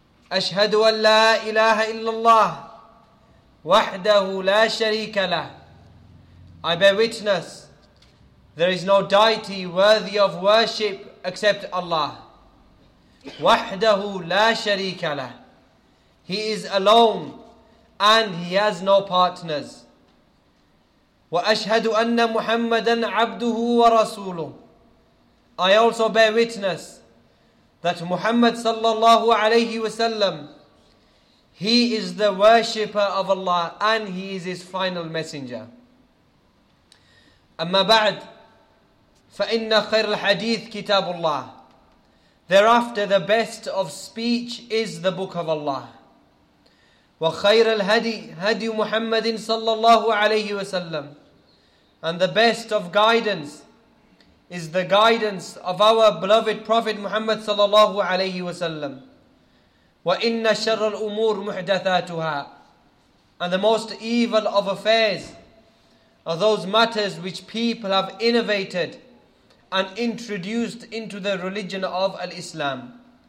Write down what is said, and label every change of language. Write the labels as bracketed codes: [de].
[ar] أَشْهَدُ أَنْ لَا إِلَهَ إِلَّا اللَّهِ وحده لا شريك له. [en] I bear witness, there is no deity worthy of worship except Allah. [ar] وحده لا شريك له. [en] He is alone and he has no partners. [ar] وأشهد أن محمدا عبده ورسوله. [en] I also bear witness that Muhammad صلى الله عليه وسلم, he is the worshipper of Allah and he is his final messenger. [ar] أما بعد فإن خير الحديث كتاب الله. [en] Thereafter, the best of speech is the book of Allah. [ar] وخير الهدي هدي محمد صلى الله عليه وسلم. [en] And the best of guidance is the guidance of our beloved Prophet Muhammad صلى الله عليه وسلم. [ar] وَإِنَّ شَرَّ الْأُمُورِ مُحْدَثَاتُهَا. [en] And the most evil of affairs are those matters which people have innovated and introduced into the religion of Al-Islam.